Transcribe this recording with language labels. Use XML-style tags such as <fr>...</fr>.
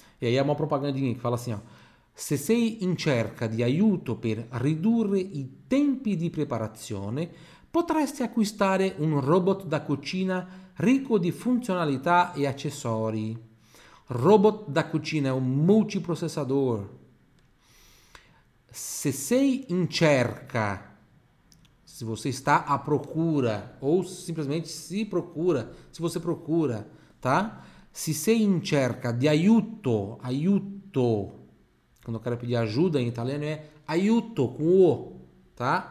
<pt>E aí é uma propagandinha que fala assim, ó:</pt> <it>se sei in cerca di aiuto per ridurre i tempi di preparazione, potresti acquistare un robot da cucina ricco di funzionalità e accessori. Robot da cucina è un multiprocessador. Se sei in cerca.</it> <pt>Se você está à procura, ou simplesmente se procura, se você procura, tá?</pt> <it>Se sei in cerca di aiuto, aiuto.</it> <pt>Quando eu quero pedir ajuda em italiano é aiuto com o, tá?</pt>